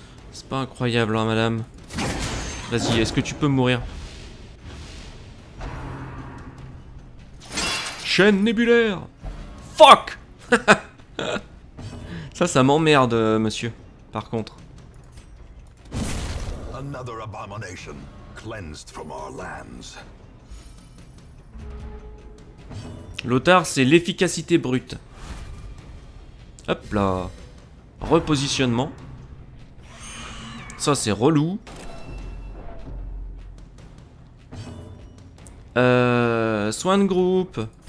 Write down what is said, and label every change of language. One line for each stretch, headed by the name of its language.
French: C'est pas incroyable, hein, madame. Vas-y, est-ce que tu peux mourir? Chaîne nébulaire! Fuck! Ça, ça m'emmerde, monsieur, par contre.
English: Another abomination cleansed from our lands.
French: L'otard, c'est l'efficacité brute. Hop là. Repositionnement. Ça, c'est relou. Soin de groupe.